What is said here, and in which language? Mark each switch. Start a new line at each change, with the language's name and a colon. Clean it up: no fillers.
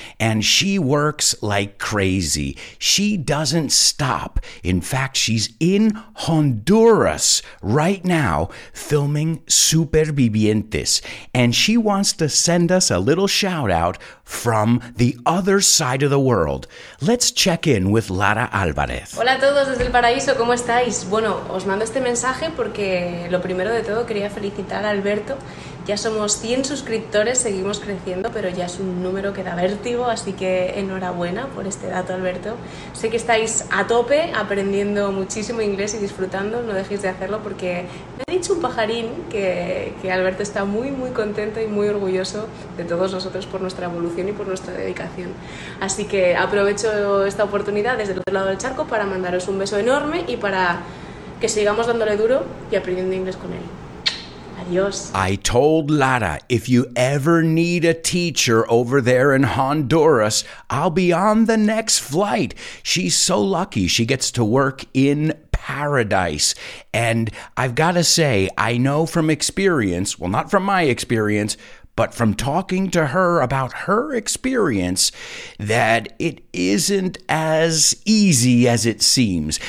English: And she works like crazy. She doesn't stop. In fact, she's in Honduras right now filming Supervivientes. And she wants to send us a little shout out from the other side of the world. Let's check in with Lara Álvarez.
Spanish: Hola a todos desde el paraíso, ¿cómo estáis? Bueno, os mando este mensaje porque lo primero de todo quería felicitar a Alberto Ya somos 100 suscriptores, seguimos creciendo, pero ya es un número que da vértigo, así que enhorabuena por este dato, Alberto. Sé que estáis a tope aprendiendo muchísimo inglés y disfrutando, no dejéis de hacerlo porque me ha dicho un pajarín que Alberto está muy, muy contento y muy orgulloso de todos nosotros por nuestra evolución y por nuestra dedicación. Así que aprovecho esta oportunidad desde el otro lado del charco para mandaros un beso enorme y para que sigamos dándole duro y aprendiendo inglés con él.
English: I told Lara, if you ever need a teacher over there in Honduras, I'll be on the next flight. She's so lucky she gets to work in paradise. And I've got to say, I know from experience, well, not from my experience, but from talking to her about her experience, that it isn't as easy as it seems.